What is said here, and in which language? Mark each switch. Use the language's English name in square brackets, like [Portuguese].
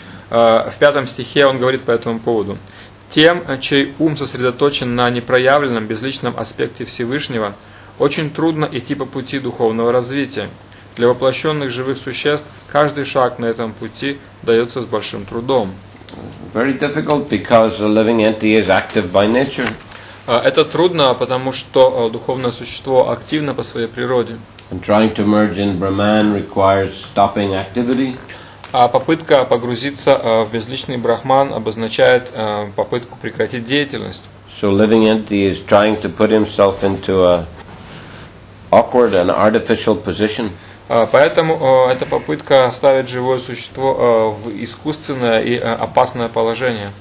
[Russian] В пятом стихе он говорит по этому поводу. Тем, чей ум сосредоточен на непроявленном безличном аспекте Всевышнего, очень трудно идти по пути духовного развития. Для воплощенных живых существ каждый шаг на этом пути дается с большим трудом. [English] Very difficult because the living entity is active by nature. [Russian] Это трудно, потому что духовное существо активно по своей природе. [English] And trying to merge in Brahman requires stopping activity. [Russian] А попытка погрузиться в безличный Брахман обозначает попытку прекратить деятельность. [English] So living entity is trying to put himself into a awkward and artificial position. [Russian] Поэтому эта попытка ставит живое существо в искусственное и опасное положение.